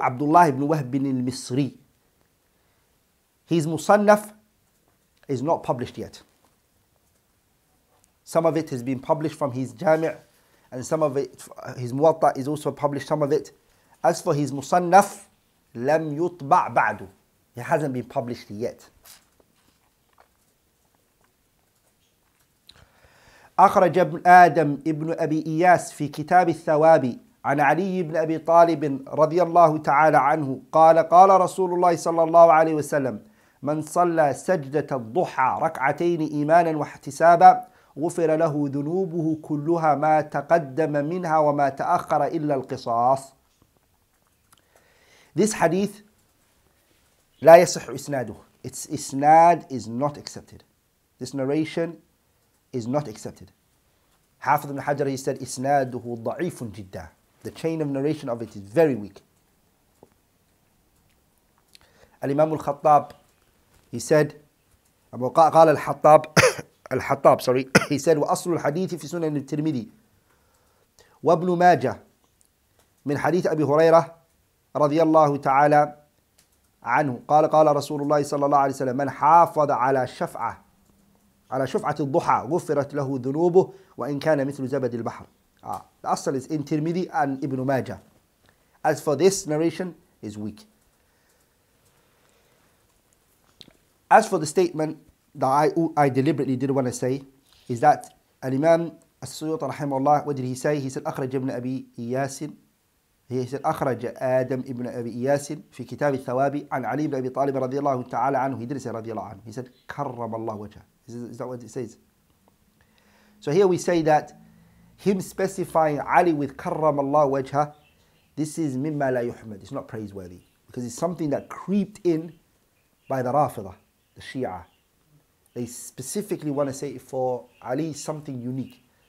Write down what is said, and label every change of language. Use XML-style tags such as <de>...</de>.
<en>Abdullah ibn Wahb al-Misri. His Musannaf is not published yet. Some of it has been published from his Jami', and some of it, his Muwatta is also published, some of it. As for his Musannaf,</en> <ar>لم يطبع بعد.</ar> <en>He hasn't been published yet.</en> <ar>أخرج ابن آدم ابن أبي إياس في كتاب الثواب عن علي بن أبي طالب رضي الله تعالى عنه قال قال رسول الله صلى الله عليه وسلم من صلى سجدة الضحى ركعتين إيمانا واحتسابا غفر له ذنوبه كلها ما تقدم منها وما تأخر إلا القصاص.</ar> <en>This hadith</en> <ar>لا يصح إسناده.</ar> <en>Its إسناد is not accepted. This narration is not accepted. Hafiz ibn Hajar, he said</en> <ar>إسناده ضعيف جدا.</ar> <en>The chain of narration of it is very weak. Al-Imam al-Khattab, he said,</en> <ar>قال الحطاب الحطاب</ar> <en>sorry, he said</en> <ar>وأصل الحديث في سنن الترمذي وابن ماجة من حديث أبي هريرة رضي الله تعالى عنه قال قال رسول الله صلى الله عليه وسلم من حافظ على شفعة على شفعة الضحى غفرت له ذنوبه وإن كان مثل زبد البحر.</ar> <en>The asal is in Tirmidhi and Ibn Majah. As for this narration, is weak. As for the statement that I deliberately didn't want to say, is that Al-Imam As-Suyuti rahimahullah, what did he say? He said,</en> <ar>أخرج ابن أبي ياسين. He said, أخرج آدم ابن أبي ياسين في كتاب الثواب عن علي بن أبي طالب رضي الله تعالى عنه.</ar> <en>He didn't say</en> <ar>رضي الله عنه.</ar> <en>He said,</en> <ar>كرم الله وجهه.</ar> <en>Is that what it says? So here we say that him specifying Ali with</en> <ar>كرم الله وجهه,</ar> <en>this is</en> <ar>مما لا يحمد.</ar> <en>It's not praiseworthy. Because it's something that creeped in by the Rafidah, the Shia. They specifically want to say for Ali something unique.</en>